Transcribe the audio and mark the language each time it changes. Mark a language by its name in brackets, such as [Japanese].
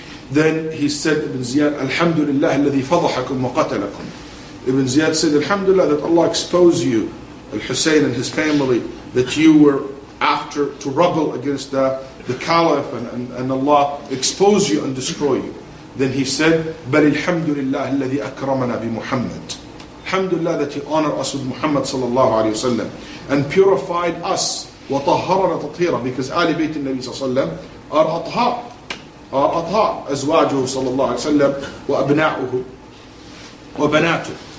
[English] Then he said, Ibn Ziyad, alhamdulillah, [Arabic] alladhi fadahakum wa qatalakum. [English] Ibn Ziyad said, alhamdulillah, that Allah exposed you, al-Husayn and his family, that you were after to rebel against the caliph, and Allah expose you and destroy you. Then he said, [Arabic] بَلِ الْحَمْدُ لِلَّهِ الَّذِي أَكْرَمَنَا بِمُحَمَّدٍ. [English] Alhamdulillah that he honored us with Muhammad sallallahu alayhi wa sallam and purified us. [Arabic] وَطَهَّرَنَا تَطْهِيرًا, [English] because [Arabic] Ali Bayt al-Nabi sallallahu alayhi wa sallam [English] are atha, [Arabic] أزواجه sallallahu alayhi wa sallam وَأَبْنَاؤُهُ وَبَنَاتُهُ.